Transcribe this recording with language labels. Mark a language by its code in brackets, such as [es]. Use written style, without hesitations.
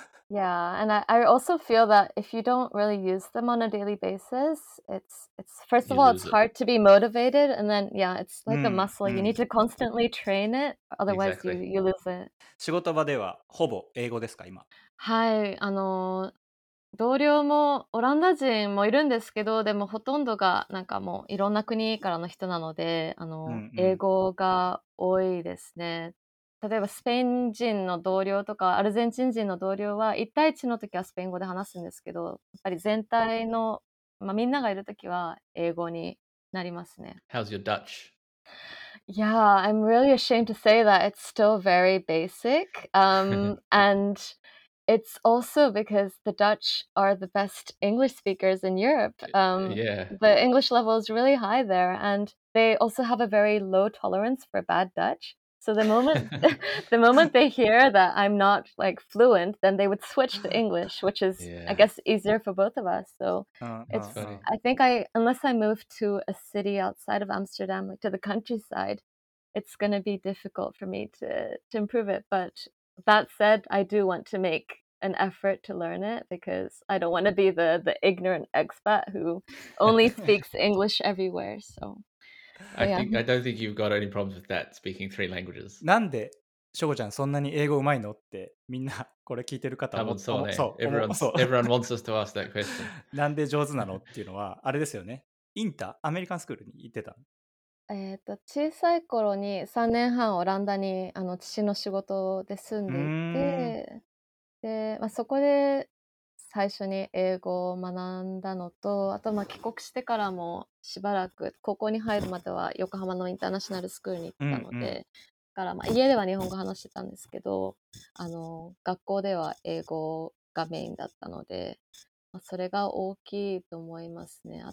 [en] Yeah, and I also feel that if you don't really use them on a daily basis, it's first of all, it's hard to be motivated. And then, yeah, it's like a muscle. You need to constantly train it, otherwise you lose it. [ja] 仕事場ではほぼ英語ですか、今。はい、あの…同僚もオランダ人もいるんですけど、でもほとんどがなんかもういろんな国からの人なので、あの、英語が多いですね。例えばスペイン人の同僚とかアルゼンチン人の同僚は1対1の時はスペイン語で話すんですけど、やっぱり全体の、まあ、みんながいる時は英語になりますね。 [en] How's your Dutch? Yeah, I'm really ashamed to say that it's still very basic. and It's also because the Dutch are the best English speakers in Europe. The English level is really high there, and they also have a very low tolerance for bad Dutch. So the moment they hear that I'm not like fluent, then they would switch to English, which is, I guess, easier for both of us. So I think unless I move to a city outside of Amsterdam, like to the countryside, it's going to be difficult for me to improve it. ButThat said, I do want to make an effort to learn it because I don't want to be the ignorant expat who only speaks English everywhere. So, I don't think you've got any problems with that, speaking three languages. [ja] なんで、ショコちゃんそんなに英語うまいのってみんなこれ聞いてる方は多分そうね。 [en] Everyone wants us to ask that question. [ja] なんで上手なのっていうのはあれですよね。インター、アメリカンスクールに行ってた。小さい頃に3年半オランダにあの父の仕事で住んでいて、で、まあ、そこで最初に英語を学んだのと、あとまあ帰国してからもしばらく高校に入るまでは横浜のインターナショナルスクールに行ったので、だからまあ家では日本語話してたんですけど、あの学校では英語がメインだったので、まあ、それが大きいと思いますね。